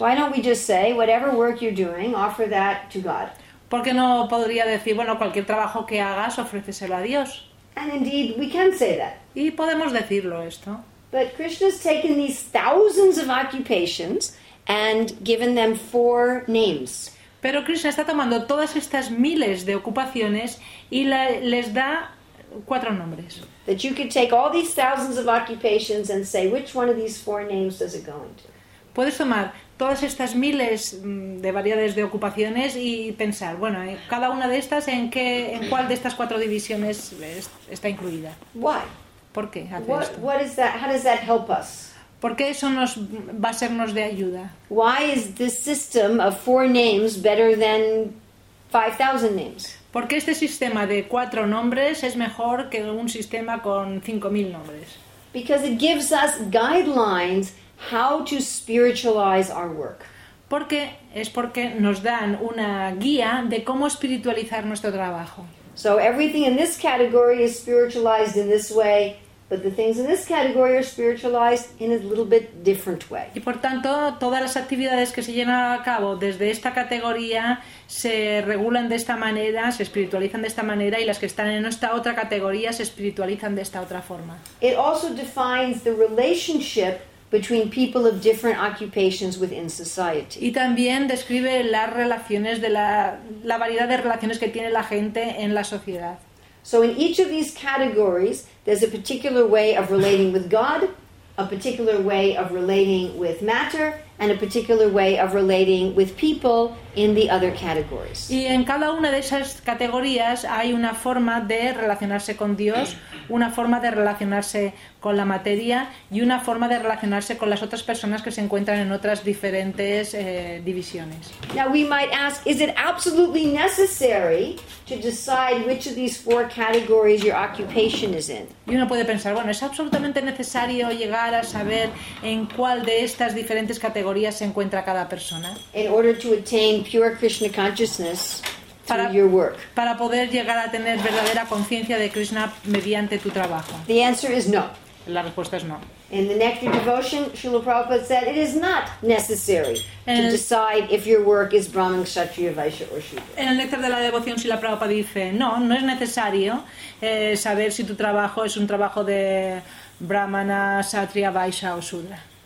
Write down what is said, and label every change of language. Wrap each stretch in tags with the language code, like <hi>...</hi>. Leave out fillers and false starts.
<en>Why don't we just say whatever work you're doing, offer that to God?</en> <es>¿Por qué no podría decir, bueno, cualquier trabajo que hagas, ofréceselo a Dios?</es> <en>And indeed, we can say that.</en> <es>Y podemos decirlo esto.</es> <en>But Krishna's taken these thousands of occupations and given them four names.</en> <es>Pero Krishna está tomando todas estas miles de ocupaciones y les da cuatro nombres.</es> <en>That you could take all these thousands of occupations and say which one of these four names does it go into.</en> <es>Puedes tomar todas estas miles de variedades de ocupaciones y pensar, bueno, cada una de estas en cuál de estas cuatro divisiones está incluida.</es> <en>Why?</en> <es>¿Por qué hace esto?</es> <en>What is that? How does that help us?</en> <es>¿Por qué eso nos va a sernos de ayuda?</es> <en>Why is this system of four names better than 5,000 names?</en> <es>¿Por qué este sistema de cuatro nombres es mejor que un sistema con 5,000 nombres?</es> <en>Because it gives us guidelines how to spiritualize our work.</en> <es>Porque nos dan una guía de cómo espiritualizar nuestro trabajo.</es> <en>So everything in this category is spiritualized in this way. But the things in this category are spiritualized in a little bit different way.</en> <es>Y por tanto, todas las actividades que se llevan a cabo desde esta categoría se regulan de esta manera, se espiritualizan de esta manera, y las que están en esta otra categoría se espiritualizan de esta otra forma.</es> <en>It also defines the relationship between people of different occupations within society.</en> <es>Y también describe las relaciones de la variedad de relaciones que tiene la gente en la sociedad.</es> <en>So in each of these categories, there's a particular way of relating with God, a particular way of relating with matter, and a particular way of relating with people in the other categories.</en> <es>Y en cada una de esas categorías hay una forma de relacionarse con Dios, una forma de relacionarse con la materia y una forma de relacionarse con las otras personas que se encuentran en otras diferentes divisiones.</es> <en>Now we might ask, is it absolutely necessary to decide which of these four categories your occupation is in?</en> <es>Y uno puede pensar, bueno, ¿es absolutamente necesario llegar a saber en cuál de estas diferentes categorías se encuentra cada persona?</es> <en>In order to attain pure Krishna consciousness,</en> <es>Para poder llegar a tener verdadera conciencia de Krishna mediante tu trabajo.</es> <en>The answer is no.</en> <es>La respuesta es no.</es> <en>In the Nectar Devotion, Srila Prabhupada said it is not necessary to decide if your work is Brahman, Kshatriya, Vaishya or Shudra.</en> <es>En el Néctar de la Devoción, Srila Prabhupada dice, no es necesario saber si tu trabajo es un trabajo de Brahmana, Kshatriya, Vaishya o Shudra.</es>